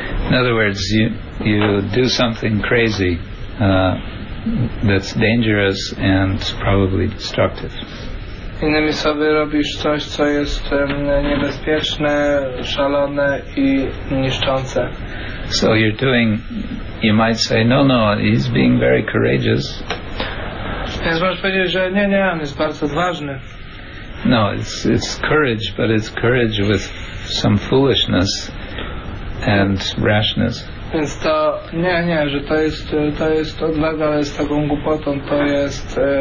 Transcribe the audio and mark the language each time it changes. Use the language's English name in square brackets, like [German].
[English] In other words, you do something crazy that's dangerous and probably destructive. [Polish] Innymi słowy, robisz coś, co jest niebezpieczne, szalone i niszczące. [English] So you're doing, you might say, no, he's being very courageous. [Polish] Więc możesz powiedzieć, że nie, on jest bardzo odważny. [English] No, it's courage, but it's courage with some foolishness and rashness. [Polish] Więc to, nie, że to jest odwaga, ale z taką głupotą, to jest...